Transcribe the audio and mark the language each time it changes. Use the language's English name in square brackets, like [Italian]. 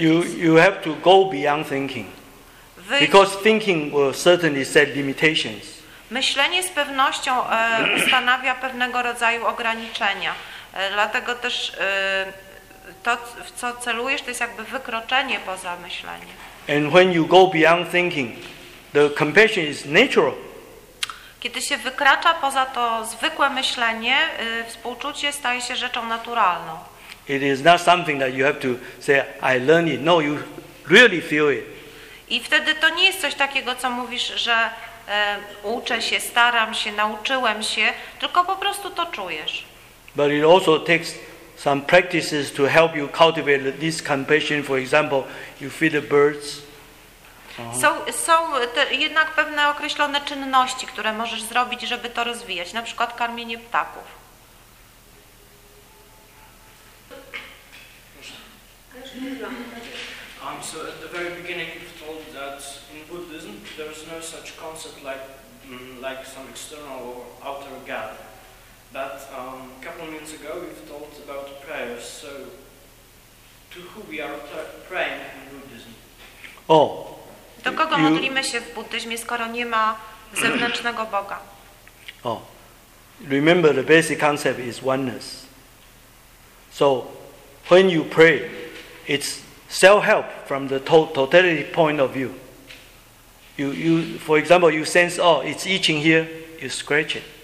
[English] You have to go beyond thinking, because thinking will certainly set limitations. [Polish] Myślenie z pewnością ustanawia pewnego rodzaju ograniczenia, dlatego też to, w co celujesz, to jest jakby wykroczenie poza myślenie. [English] And when you go beyond thinking, the compassion is natural. [Polish] Kiedy się wykracza poza to zwykłe myślenie, współczucie staje się rzeczą naturalną. [English] It is not something that you have to say, I learned it. No, you really feel it. [Polish] I wtedy to nie jest coś takiego, co mówisz, że uczę się, staram się, nauczyłem się, tylko po prostu to czujesz. [English] But it also takes some practices to help you cultivate this compassion. For example, you feed the birds. [Polish] Są te jednak pewne określone czynności, które możesz zrobić, żeby to rozwijać. Na przykład karmienie ptaków. [English] So at the very beginning you've told that in Buddhism there is no such concept like some external or outer God. But a couple of minutes ago we've talked about prayers. So to who we are praying in Buddhism? Oh. [Polish] Do kogo modlimy się w buddyzmie, skoro nie ma zewnętrznego Boga? [English] Oh. Remember, the basic concept is oneness. So when you pray, it's self-help from the totality point of view. You for example, you sense, oh, it's itching here, you scratch it.